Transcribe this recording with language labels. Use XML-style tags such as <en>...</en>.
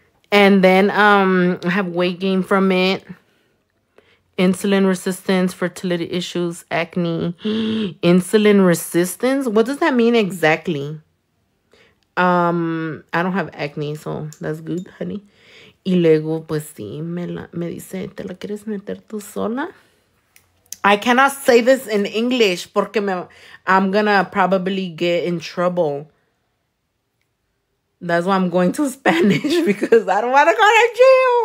<en>And then I have weight gain from it. Insulin resistance, fertility issues, acne. Insulin resistance? What does that mean exactly? I don't have acne, so that's good, honey.</en> <es>Y luego, pues sí, me dice, ¿te la quieres meter tú sola?</es> <en>I cannot say this in English porque I'm gonna probably get in trouble. That's why I'm going to Spanish, because I don't want to go to jail.</en>